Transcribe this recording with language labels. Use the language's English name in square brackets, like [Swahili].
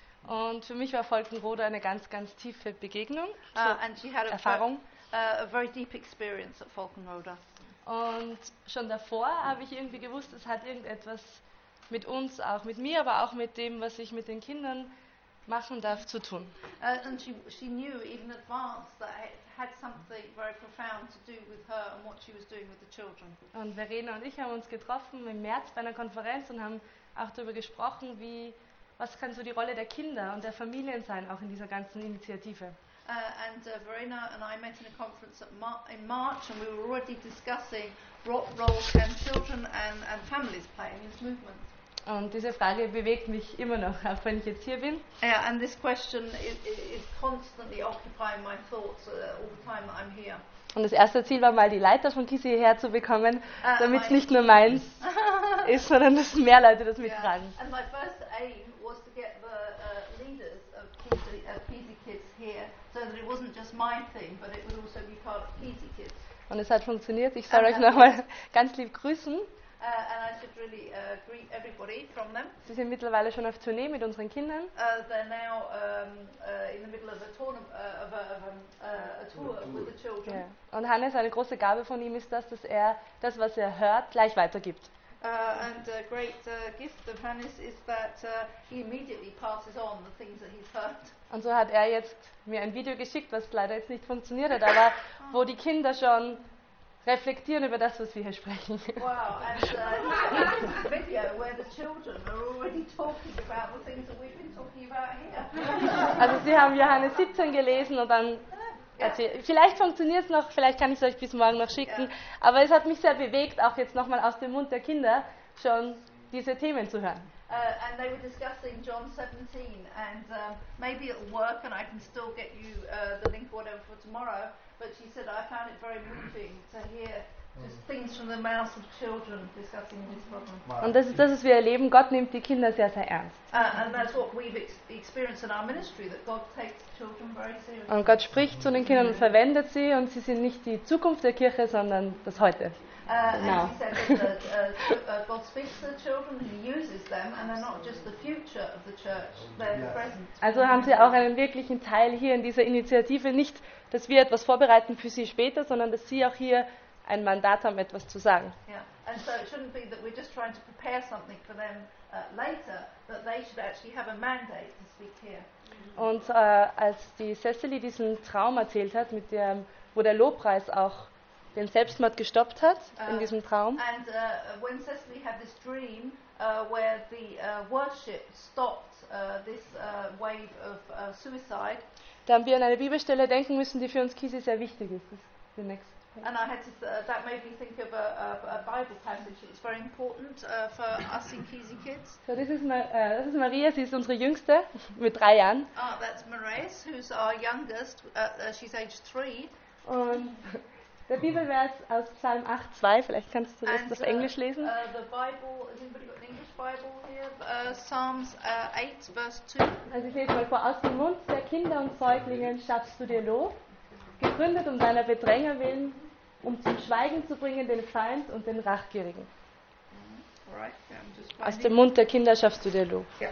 [German] Und für mich war Wolkenrode eine ganz, ganz tiefe Begegnung, so [English] And she had [German] Erfahrung. [English] a very deep experience at Falkenroda. [German] Und schon davor habe ich irgendwie gewusst, es hat irgendetwas mit uns, auch mit mir, aber auch mit dem, was ich mit den Kindern machen darf, zu tun. [English] And she knew even in advance that it had something very profound to do with her and what she was doing with the children. [German] Und Verena und ich haben uns getroffen im März bei einer Konferenz und haben auch darüber gesprochen, was kann so die Rolle der Kinder und der Familien sein, auch in dieser ganzen Initiative. [English] Verena and I met in a conference in March, and we were already discussing what role can children and families play in this movement. [German] Und diese Frage bewegt mich immer noch, auch wenn ich jetzt hier bin. [English] And this question is constantly occupying my thoughts all the time that I'm here. [German] Und das erste Ziel war mal, die Leiter von Kisi hierher zu bekommen, damit es [English] My [German] nicht nur meins ist, sondern dass mehr Leute das [English] yeah, [German] mittragen. [English] and my first aim was to get the leaders of PZ Kids here, so that it wasn't just my thing, but it would also be part of PZ Kids. [German] Und es hat funktioniert. Ich soll [English] And [German] euch [English] that worked. [German] nochmal ganz lieb grüßen. [English] And I should really greet everybody from them. [German] Sie sind mittlerweile schon auf Tournee mit unseren Kindern. [English] They're now in the middle of a tournament of a tour with the children. [German] Ja. Und Hannes, eine große Gabe von ihm ist das, dass er das, was er hört, gleich weitergibt. [English] And a great gift of Hannes is that he immediately passes on the things that he's heard. [German] Und so hat er jetzt mir ein Video geschickt, was leider jetzt nicht funktioniert hat, aber wo die Kinder schon reflektieren über das, was wir hier sprechen. [English] Wow, and this video where the children are already talking about the things that we've been talking about here. [German] Also sie haben Johannes 17 gelesen und dann erzählt. Vielleicht funktioniert es noch, vielleicht kann ich es euch bis morgen noch schicken. Aber es hat mich sehr bewegt, auch jetzt nochmal aus dem Mund der Kinder schon diese Themen zu hören. [English] And they were discussing John 17 and maybe it'll work and I can still get you the link or whatever for tomorrow. But she said, I found it very moving to hear just things from the mouths of children discussing this problem. [German] Und das ist das, was wir erleben. Gott nimmt die Kinder sehr, sehr ernst. [English] And that's what we've experienced in our ministry, that God takes children very seriously. [German] Und Gott spricht zu den Kindern und verwendet sie, und sie sind nicht die Zukunft der Kirche, sondern das Heute. [English] And she said that God speaks to the children, he uses them, and they're not just the future of the church, they're the present. [German] Also haben sie auch einen wirklichen Teil hier in dieser Initiative, nicht dass wir etwas vorbereiten für sie später, sondern dass sie auch hier ein Mandat haben, etwas zu sagen. [English] Yeah. And so it shouldn't be that we're just trying to prepare something for them later, but they should actually have a mandate to speak here. [German] Und als die Cecily diesen Traum erzählt hat, mit dem, wo der Lobpreis auch den Selbstmord gestoppt hat, in diesem Traum. [English] And when Cecily had this dream where the worship stopped this wave of suicide, [German] da haben wir an eine Bibelstelle denken müssen, die für uns Kisi sehr wichtig ist. Das ist the next. [English] And I had to that made me think of a Bible passage that's very important for us in Kisi Kids. [German] So this is this is Maria, sie ist unsere Jüngste, mit 3 Jahren. [English] That's Marais, who's our youngest, she's age 3. [German] Und der Bibelvers aus Psalm 8, 2, vielleicht kannst du das auf Englisch lesen. [English] The Bible, has anybody got an English Bible here? Psalms 8, verse 2. [German] Also ich lese mal vor, aus dem Mund der Kinder und Säuglingen schaffst du dir Lob, gegründet um deiner Bedränger willen, um zum Schweigen zu bringen den Feind und den Rachgierigen. [English] Right, [German] aus dem Mund der Kinder schaffst du dir Lob.